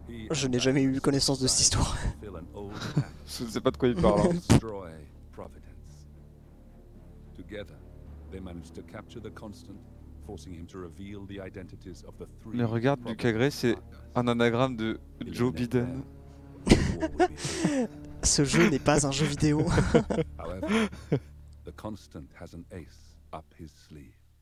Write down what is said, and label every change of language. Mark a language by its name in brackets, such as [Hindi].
[French] Je n'ai jamais eu connaissance de cette histoire. Je ne sais pas de quoi il parle. [English] Destroy Providence. Together, they managed to capture the constant, forcing him to reveal the identities of the three. [French] Le regard de Lucas Gray, c'est un anagramme de Joe Biden. Ce jeu n'est pas un jeu vidéo. [English] However, the constant has an ace. Up his sleeve.